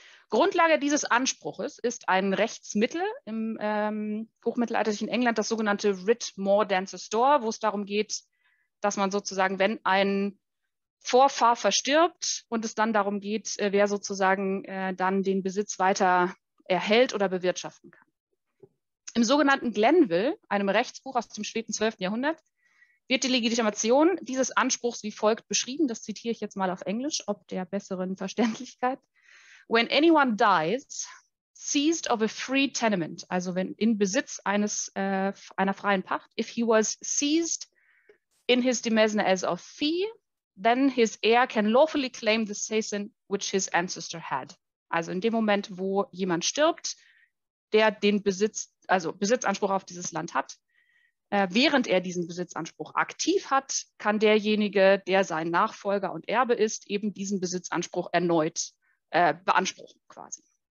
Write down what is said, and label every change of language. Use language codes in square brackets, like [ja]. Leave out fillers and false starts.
[de] Grundlage dieses Anspruches ist ein Rechtsmittel im hochmittelalterlichen England, das sogenannte Writ Mordaensis Dor, wo es darum geht, dass man sozusagen, wenn ein Vorfahr verstirbt und es dann darum geht, wer sozusagen dann den Besitz weiter erhält oder bewirtschaften kann. Im sogenannten Glenville, einem Rechtsbuch aus dem späten 12. Jahrhundert, wird die Legitimation dieses Anspruchs wie folgt beschrieben. Das zitiere ich jetzt mal auf Englisch, ob der besseren Verständlichkeit. [en] When anyone dies, seized of a free tenement, [de] also wenn in Besitz eines einer freien Pacht, [en] if he was seized in his demesne as of fee, then his heir can lawfully claim the seisin which his ancestor had. [de] Also in dem Moment, wo jemand stirbt, der den Besitz, also Besitzanspruch auf dieses Land hat, während er diesen Besitzanspruch aktiv hat, kann derjenige, der sein Nachfolger und Erbe ist, eben diesen Besitzanspruch erneut beanspruchen quasi.